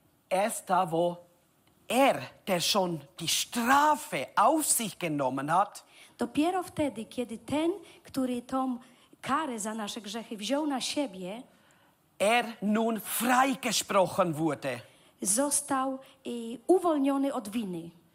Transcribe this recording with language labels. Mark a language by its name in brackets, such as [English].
[German] Erst da, wo der schon die Strafe auf sich genommen hat. [Polish] Dopiero wtedy, kiedy ten, który tą karę za nasze grzechy wziął na siebie, [German] nun freigesprochen wurde. [Polish] Został uwolniony od winy.